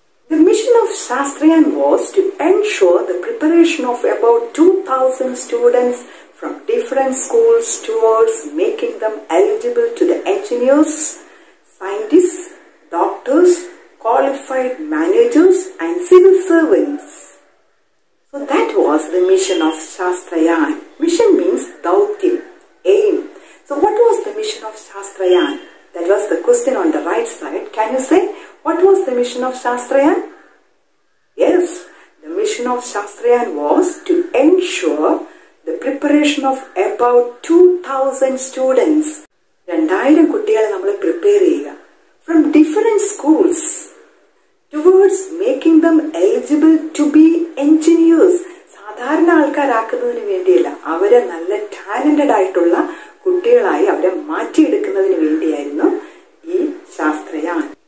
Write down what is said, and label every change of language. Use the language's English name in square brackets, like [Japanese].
[English] The mission of Shastrayan was to ensure the preparation of about 2000 students from different schools towards making them eligible to the engineers, scientist, doctors, qualified managers and civil servants. So that was the mission of Shastrayan. Mission means dautyam, aim. So what was the mission of Shastrayan? That was the question on the right side. Can you say what was the mission of Shastrayan? Yes, the mission of Shastrayan was to ensure the preparation of about 2000 students. [Malayalam] 2000 kuttigale nammal prepare cheyya [English] from different schools towards making them eligible to be engineers. [Malayalam] സാധാരണ ആൾക്കാരാക്കുന്നതിന് വേണ്ടിയല്ല, അവരെ നല്ല talented ആയിട്ടുള്ള കുട്ടികളായി അവരെ മാറ്റിയെടുക്കുന്നതിന് വേണ്ടിയായിരുന്നു ഈ ശാസ്ത്രയാൻ.